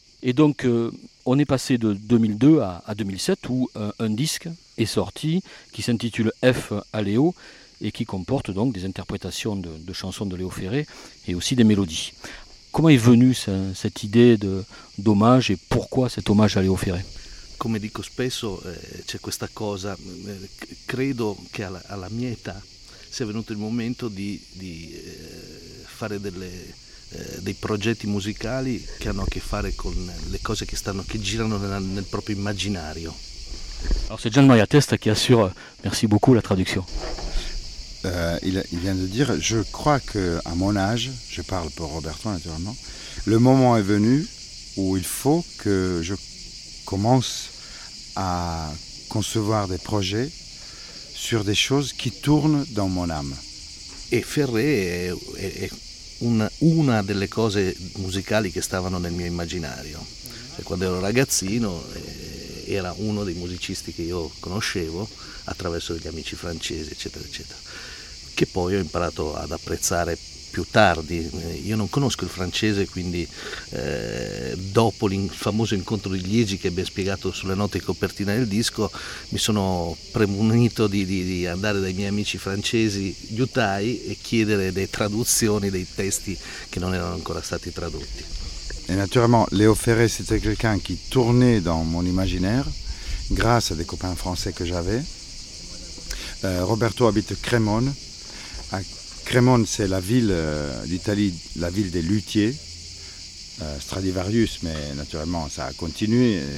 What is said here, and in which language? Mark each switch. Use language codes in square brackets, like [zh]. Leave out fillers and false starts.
[fr] Et donc, on est passé de 2002 à 2007, où un disque est sorti, qui s'intitule F à Léo, et qui comporte donc des interprétations de chansons de Léo Ferré, et aussi des mélodies. Comment est venue cette idée d'hommage, et pourquoi cet hommage à Léo Ferré ? [it] Come dico spesso, c'è questa cosa, credo che alla mia età sia venuto il momento di fare dei progetti musicali che hanno a che fare con le cose che girano nel proprio immaginario. [fr] Alors c'est Gian Maria Testa qui assure, merci beaucoup la traduction. Il vient de dire, je crois qu'à mon âge, je parle pour Roberto naturellement, le moment est venu où il faut que je commence à concevoir des projets sur des choses qui tournent dans mon âme. Et [it] Ferré est una delle cose musicali che stavano nel mio immaginario. Cioè, quando ero ragazzino, era uno dei musicisti che io conoscevo attraverso degli amici francesi, eccetera, eccetera, che poi ho imparato ad apprezzare più tardi. Io non conosco il francese, quindi dopo il famoso incontro di Liegi che abbiamo spiegato sulle note di copertina del disco, mi sono premunito di andare dai miei amici francesi, gli utai, e chiedere delle traduzioni dei testi che non erano ancora stati tradotti. E naturalmente [fr] Léo Ferré c'était quelqu'un qui tournait dans mon imaginaire grâce à des copains français que j'avais. Roberto habite Crémone. À Crémone, c'est la ville d'Italie, la ville des luthiers, Stradivarius, mais naturellement ça a continué.